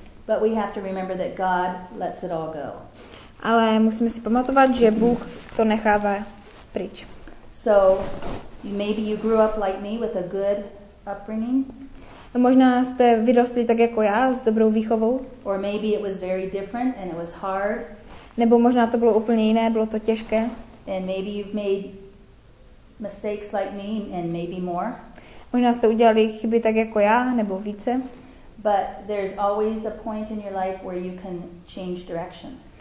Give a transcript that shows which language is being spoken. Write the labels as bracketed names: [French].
[English] But we have to remember that God lets it all go. [Czech] Ale musíme si pamatovat, že Bůh to nechává pryč. [English] So maybe you grew up like me with a good upbringing. [Czech] Možná jste vyrostli tak jako já s dobrou výchovou. [English] Or maybe it was very different and it was hard. [Czech] Nebo možná to bylo úplně jiné, bylo to těžké. [English] And maybe you've made mistakes like me and maybe more. [Czech] Možná jste udělali chyby tak jako já nebo více. [English] But there's always a point in your life where you can change direction.